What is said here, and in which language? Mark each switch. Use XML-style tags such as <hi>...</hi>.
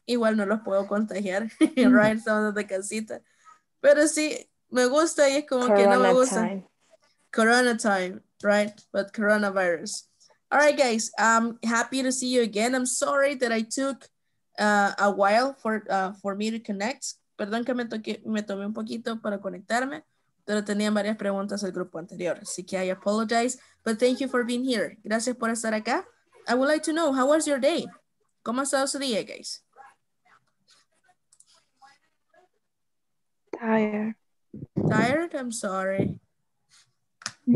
<es>Igual no los puedo contagiar, right? Estamos de casita. Pero sí, me gusta y es como corona que no me gusta.</es> <en>Time. Corona time, right? But coronavirus. All right, guys. I'm happy to see you again. I'm sorry that I took a while for me to connect.</en> <es>Perdón que me tomé un poquito para conectarme, pero tenía varias preguntas al grupo anterior. Así que</es> <en>I apologize, but thank you for being here.</en> <es>Gracias por estar acá.</es> <en>I would like to know, how was your day?</en> <es>¿Cómo ha estado su día, guys?</es> <en>Tired? I'm sorry. Mm-hmm.</en>